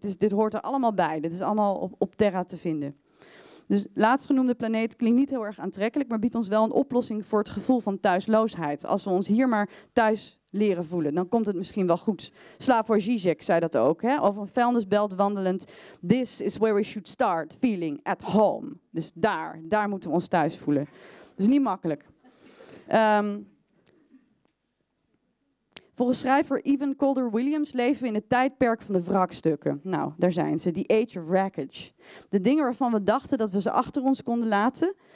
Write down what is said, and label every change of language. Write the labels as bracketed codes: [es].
[nl] Dit hoort er allemaal bij. Dit is allemaal op Terra te vinden. Dus laatstgenoemde planeet klinkt niet heel erg aantrekkelijk, maar biedt ons wel een oplossing voor het gevoel van thuisloosheid. Als we ons hier maar thuis leren voelen, dan komt het misschien wel goed. Slavoj Žižek zei dat ook, hè? Over een vuilnisbelt wandelend. [en] This is where we should start feeling at home. [nl] Dus daar moeten we ons thuis voelen. Dat is niet makkelijk. Volgens schrijver Evan Calder Williams leven we in het tijdperk van de wrakstukken. Nou, daar zijn ze, die Age of Wreckage. De dingen waarvan we dachten dat we ze achter ons konden laten.